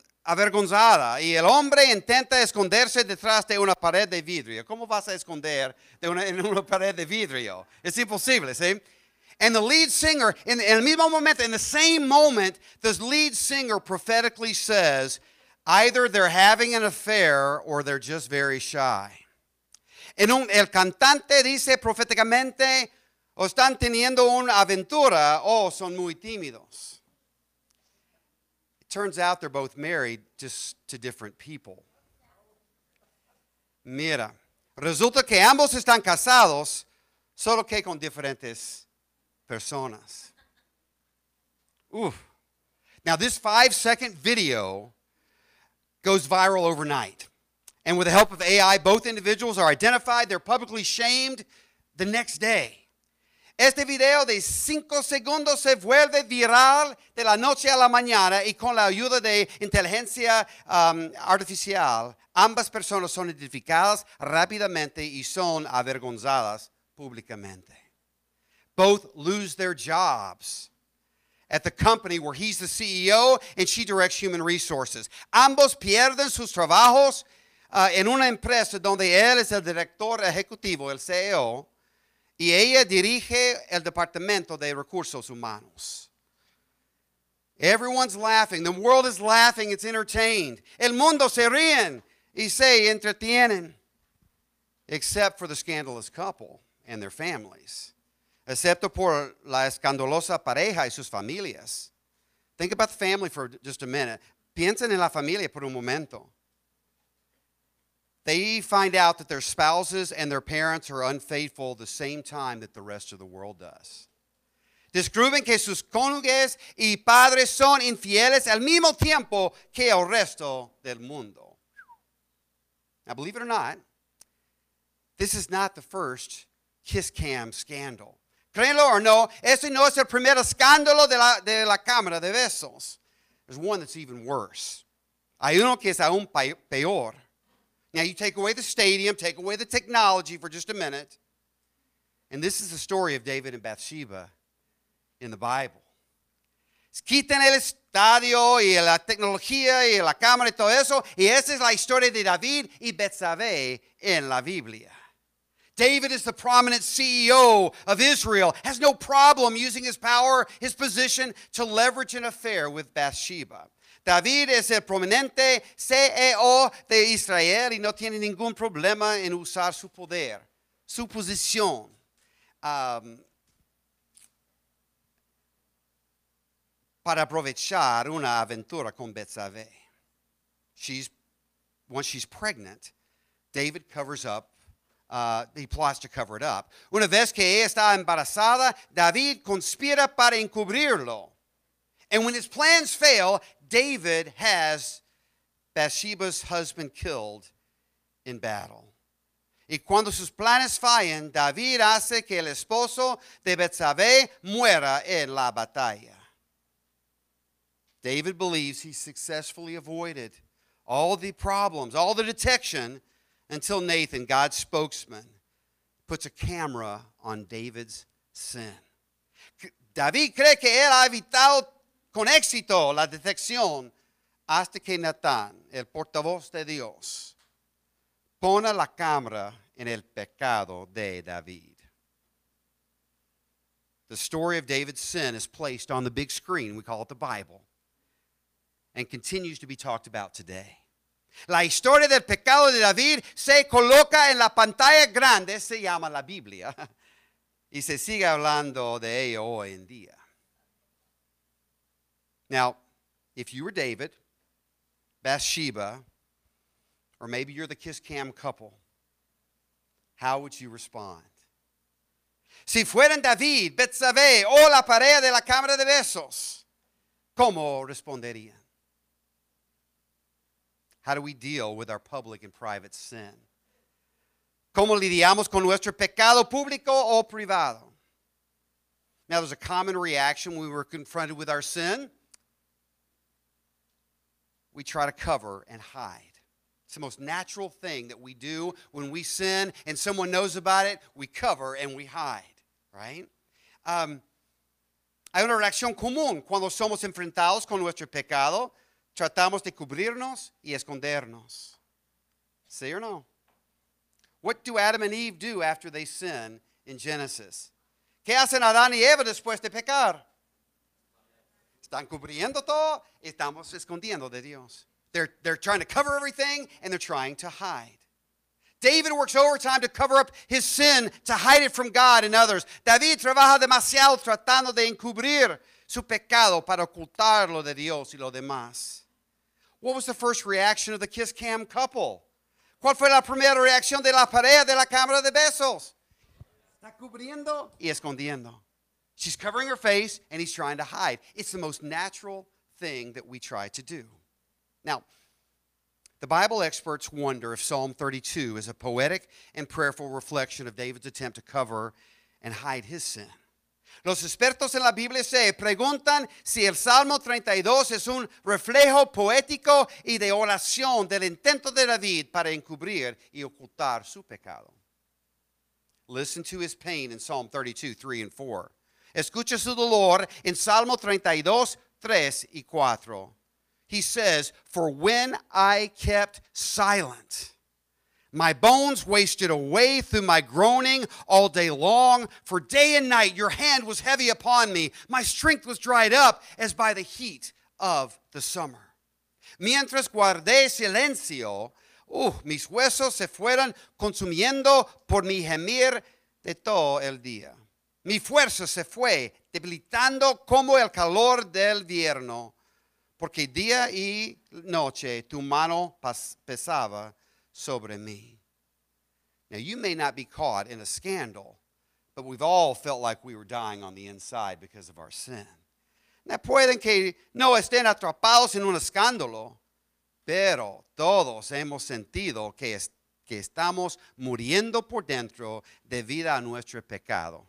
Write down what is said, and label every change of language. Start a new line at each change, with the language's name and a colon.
Spanish: Avergonzada, y el hombre intenta esconderse detrás de una pared de vidrio. ¿Cómo vas a esconder en una pared de vidrio? Es imposible, ¿sí?
English: And the lead singer, in the same moment, the lead singer prophetically says, either they're having an affair or they're just very shy.
Spanish: El cantante dice proféticamente, o están teniendo una aventura, o son muy tímidos.
English: Turns out they're both married just to different people.
Spanish: Mira, resulta que ambos están casados, solo que con diferentes personas.
English: Oof. Now, this 5-second video goes viral overnight. And with the help of AI, both individuals are identified. They're publicly shamed the next day.
Spanish: Este video de 5 segundos se vuelve viral de la noche a la mañana y con la ayuda de inteligencia artificial, ambas personas son identificadas rápidamente y son avergonzadas públicamente.
English: Both lose their jobs at the company where he's the CEO and she directs human resources.
Spanish: Ambos pierden sus trabajos en una empresa donde él es el director ejecutivo, el CEO, y ella dirige el departamento de recursos humanos.
English: Everyone's laughing. The world is laughing. It's entertained.
Spanish: El mundo se ríen y se entretienen.
English: Except for the scandalous couple and their families.
Spanish: Excepto por la escandalosa pareja y sus familias.
English: Think about the family for just a minute.
Spanish: Piensen en la familia por un momento.
English: They find out that their spouses and their parents are unfaithful the same time that the rest of the world does.
Spanish: Descubren que sus cónyuges y padres son infieles al mismo tiempo que el resto del mundo.
English: Now, believe it or not, this is not the first Kiss Cam scandal.
Spanish: Créelo o no, ese no es el primer escándalo de la cámara de besos.
English: There's one that's even worse.
Spanish: Hay uno que es aún peor.
English: Now, you take away the stadium, take away the technology for just a minute, and this is the story of David and Bathsheba in the Bible.
Spanish: Quiten el estadio y la tecnología y la cámara y todo eso, y esa es la historia de David y Betsabé en la Biblia.
English: David is the prominent CEO of Israel, has no problem using his power, his position, to leverage an affair with Bathsheba.
Spanish: David es el prominente CEO de Israel y no tiene ningún problema en usar su poder, su posición. Para aprovechar una aventura con Betsabé.
English: Once she's pregnant, David covers up, he plots to cover it up.
Spanish: Una vez que ella está embarazada, David conspira para encubrirlo.
English: And when his plans fail, David has Bathsheba's husband killed in battle.
Spanish: Y cuando sus planes fallan, David hace que el esposo de Betsabé muera en la batalla.
English: David believes he successfully avoided all the problems, all the detection, until Nathan, God's spokesman, puts a camera on David's sin.
Spanish: David cree que él ha evitado con éxito la detección hasta que Nathan, el portavoz de Dios, pone la cámara en el pecado de David.
English: The story of David's sin is placed on the big screen, we call it the Bible, and continues to be talked about today.
Spanish: La historia del pecado de David se coloca en la pantalla grande, se llama la Biblia, y se sigue hablando de ello hoy en día.
English: Now, if you were David, Bathsheba, or maybe you're the Kiss Cam couple, how would you respond?
Spanish: Si fueran David, Betsabé, o la pareja de la cámara de besos, ¿cómo responderían?
English: How do we deal with our public and private sin?
Spanish: ¿Cómo lidiamos con nuestro pecado público o privado?
English: Now, there's a common reaction when we're confronted with our sin. We try to cover and hide. It's the most natural thing that we do when we sin and someone knows about it. We cover and we hide, right?
Spanish: Hay una reacción común cuando somos enfrentados con nuestro pecado. Tratamos de cubrirnos y escondernos. See or no?
English: What do Adam and Eve do after they sin in Genesis?
Spanish: ¿Qué hacen Adán y Eva después de pecar? Están cubriendo todo y estamos escondiendo de Dios.
English: They're trying to cover everything and they're trying to hide. David works overtime to cover up his sin, to hide it from God and others.
Spanish: David trabaja demasiado tratando de encubrir su pecado para ocultarlo de Dios y lo demás.
English: What was the first reaction of the Kiss Cam couple?
Spanish: ¿Cuál fue la primera reacción de la pareja de la cámara de besos? Está cubriendo y escondiendo.
English: She's covering her face and he's trying to hide. It's the most natural thing that we try to do. Now, the Bible experts wonder if Psalm 32 is a poetic and prayerful reflection of David's attempt to cover and hide his sin.
Spanish: Los expertos en la Biblia se preguntan si el Salmo 32 es un reflejo poético y de oración del intento de David para encubrir y ocultar su pecado.
English: Listen to his pain in Psalm 32, 3 and 4.
Spanish: Escucha su dolor en Salmo 32, 3 y 4.
English: He says, "For when I kept silent, my bones wasted away through my groaning all day long. For day and night your hand was heavy upon me. My strength was dried up as by the heat of the summer.
Spanish: Mientras guardé silencio, mis huesos se fueron consumiendo por mi gemir de todo el día. Mi fuerza se fue debilitando como el calor del vierno. Porque día y noche tu mano pesaba sobre mí."
English: Now, you may not be caught in a scandal, but we've all felt like we were dying on the inside because of our sin.
Spanish: Now, pueden que no estén atrapados en un escándalo, pero todos hemos sentido que estamos muriendo por dentro debido a nuestro pecado.